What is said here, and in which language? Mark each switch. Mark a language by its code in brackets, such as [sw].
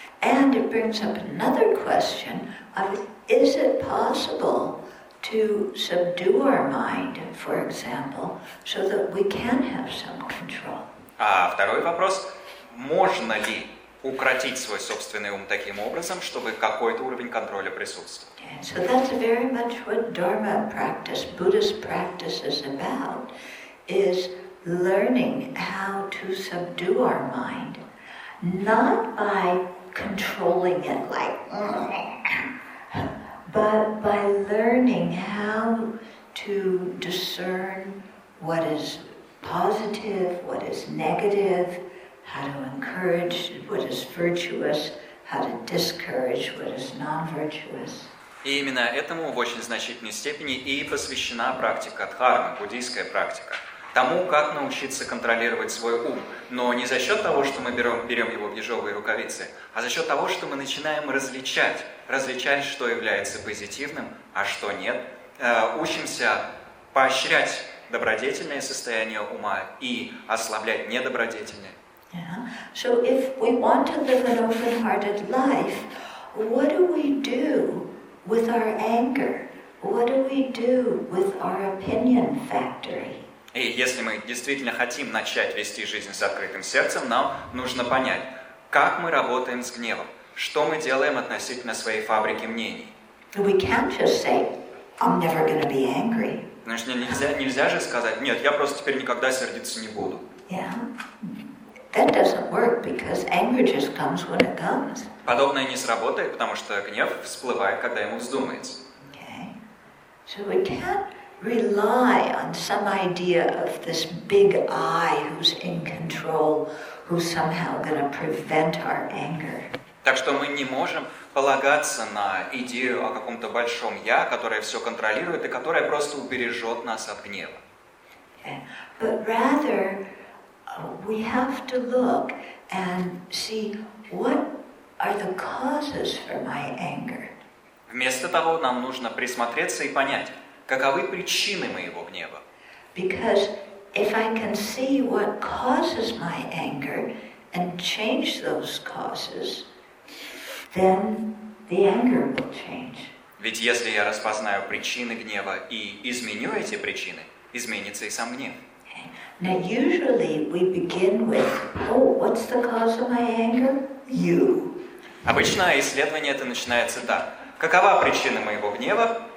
[en] And it brings up another question of, is it possible to subdue our mind, for example, so that we can have some control? [ru] А второй вопрос, можно ли укротить свой собственный ум таким образом, чтобы какой-то уровень контроля присутствовал? [en] Okay. So that's very much what Dharma practice, Buddhist practice is about, is learning how to subdue our mind. not by controlling it like, but by learning how to discern what is positive, what is negative, how to encourage what is virtuous, how to discourage what is non-virtuous. [ru] И именно этому в очень значительной степени и посвящена практика дхармы, буддийская практика. Тому, как научиться контролировать свой ум, но не за счет того, что мы берем его в ежовые рукавицы, а за счет того, что мы начинаем различать, что является позитивным, а что нет. Учимся поощрять добродетельное состояние ума и ослаблять недобродетельное. [en] So if we want to live an open-hearted life, what do we do with our anger? What do we do with our opinion factory? [ru] И если мы действительно хотим начать вести жизнь с открытым сердцем, нам нужно понять, как мы работаем с гневом, что мы делаем относительно своей фабрики мнений. [en] We can't just say, I'm never gonna be angry. [ru] Значит, нельзя же сказать, нет, я просто теперь никогда сердиться не буду. [en] Yeah. That doesn't work because anger just comes when it comes. [ru] Подобное не сработает, потому что гнев всплывает, когда ему вздумается. [en] Okay. So we can't rely on some idea of this big I who's in control, who's somehow going to prevent our anger. [ru] Так что мы не можем полагаться на идею о каком-то большом я, которое все контролирует и которое просто убережет нас от гнева. [en] But rather, we have to look and see what are the causes for my anger. [ru] Вместо того, нам нужно присмотреться и понять, каковы причины моего гнева? [en] Because if I can see what causes my anger and change those causes, then the anger will change. [ru] Ведь если я распознаю причины гнева и изменю эти причины, изменится и сам гнев. [en] Now usually we begin with, oh, what's the cause of my anger? You. [ru] Обычно исследование это начинается так. Какова причина моего гнева?